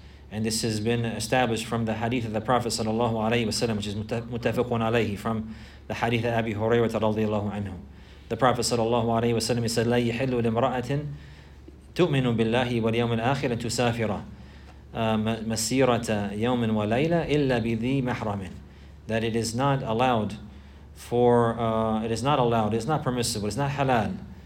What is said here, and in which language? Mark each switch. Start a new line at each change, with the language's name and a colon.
English: And this has been established from the hadith of the Prophet sallallahu alayhi wa sallam, which is mutafiqun alayhi, from the hadith of Abi Hurairah radiallahu anhu. The Prophet sallallahu alayhi wa sallam said,
Arabic: لا يحل لامرأةٍ تؤمن بالله واليوم الآخر أن تسافر مسيرة يوم وليلة إلا بذي محرم.
English: That it is not allowed for, it's not permissible, it's not halal.